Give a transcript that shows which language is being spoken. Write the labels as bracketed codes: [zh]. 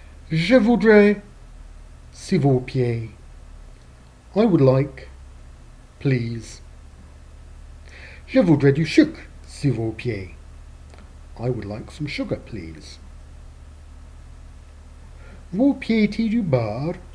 [fr] Je voudrais, s'il vous plaît. [en] I would like, please. [fr] Je voudrais du sucre, s'il vous plaît. [en] I would like some sugar, please. [fr] Vous pouvez-tu du beurre?